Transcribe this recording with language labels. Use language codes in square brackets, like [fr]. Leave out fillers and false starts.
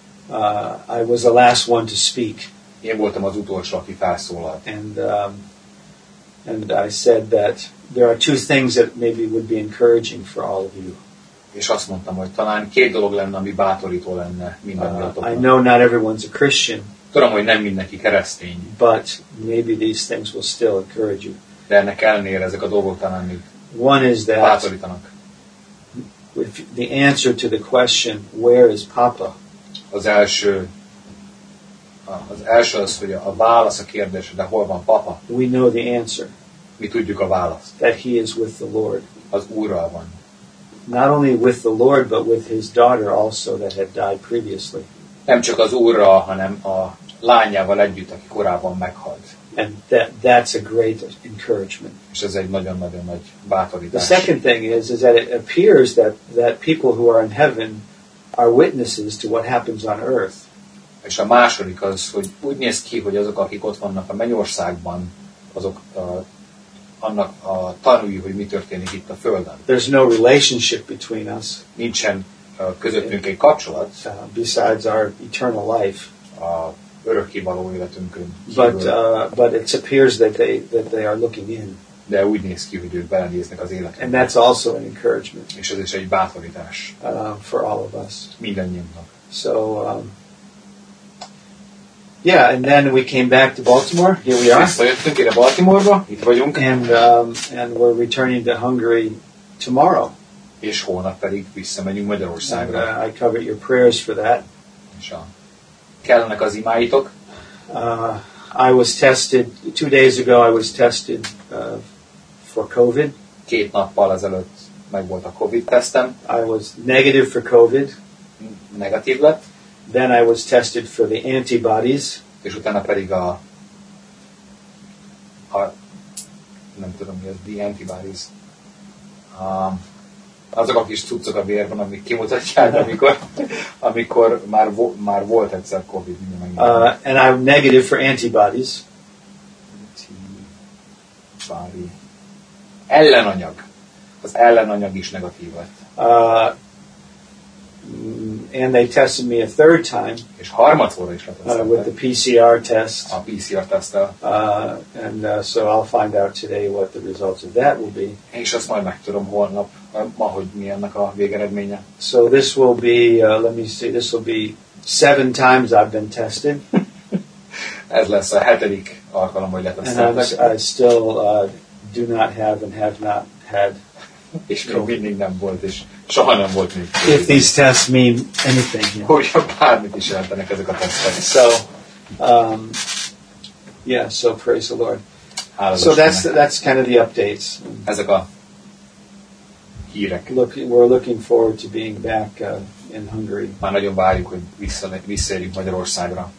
[en] I was the last one to speak. [hu] Én voltam az utolsó, aki felszólalt. [en] And I said that there are two things that maybe would be encouraging for all of you. [hu] És azt mondtam, hogy talán két dolog lenne, ami bátorító lenne mindannyiatoknak. [en] I know not everyone's a Christian. [hu] Tudom, hogy nem mindenki keresztény. [en] But maybe these things will still encourage you. [hu] De ennek ellenére ezek a dolgok talán még bátorítanak. [en] With the answer to the question, where is Papa? [hu] Az első az, hogy a válasz a kérdésre, de hol van Papa? [en] We know the answer. [hu] Mi tudjuk a választ. [en] That he is with the Lord. [hu] Az Úrral van. [en] Not only with the Lord, but with his daughter also that had died previously. [hu] Nem csak az Úrral, hanem a lányával együtt, aki korábban meghalt. [en] And that's a great encouragement. [hu] És ez egy nagyon-nagyon nagy bátorítás. [en] The second thing is that it appears that people who are in heaven are witnesses to what happens on earth. [hu] És a második az, hogy úgy néz ki, hogy azok, akik ott vannak a mennyországban, azok annak a tanúi, hogy mi történik itt a Földön. [en] There's no relationship between us. [hu] Nincsen közöttünk egy kapcsolat. [en] Besides our eternal life. [hu] A örökké való életünkön. [en] But it appears that they are looking in. [hu] De úgy néz ki, hogy ők belenéznek az életünkbe. [en] And that's also an encouragement. [hu] És ez is egy bátorítás. [en] For all of us. [hu] Mindannyiunknak. [en] So, yeah, and then we came back to Baltimore. Here we are. [hu] Visszajöttünk ide Baltimore-ba. Itt vagyunk. [en] And we're returning to Hungary tomorrow. [hu] És holnap pedig visszamegyünk Magyarországra. [en] And, I covered your prayers for that. [hu] És kellenek az imáitok. [en] I was tested 2 days ago. I was tested for COVID. [hu] Két nappal ezelőtt meg volt a COVID tesztem. [en] I was negative for COVID. [hu] Negatív lett. [en] Then I was tested for the antibodies. [hu] És utána pedig a nem tudom mi az, [en] the antibodies. [hu] Azok a kis cuccok a vérben, amik kimutatják, amikor már volt egyszer COVID. [en] And I'm negative for antibodies. [hu] Antibody. Ellenanyag. Az ellenanyag is negatív lett. [en] And they tested me a third time. [hu] És harmadszorra is letesztettek. [en] With the PCR test. [hu] A PCR teszttel. [en] So I'll find out today what the results of that will be. [hu] És azt majd megtudom holnap, ma, hogy mi ennek a végeredménye. [en] So this will be, this will be 7 times I've been tested. [hu] Ez lesz a 7. alkalom, hogy letesztettek. [en] And I still do not have and have not had. [hu] És még mindig nem volt, és soha nem volt még. [en] If these tests mean anything. Yeah. [hu] Hogyha bármit is jelentenek ezek a tesztek. [en] So, yeah, so praise the Lord. [hu] Hála [en] so that's kind of the updates. [hu] Ezek a hírek. [en] We're looking forward to being back in Hungary. [hu] Már nagyon várjuk, hogy visszaérjünk Magyarországra.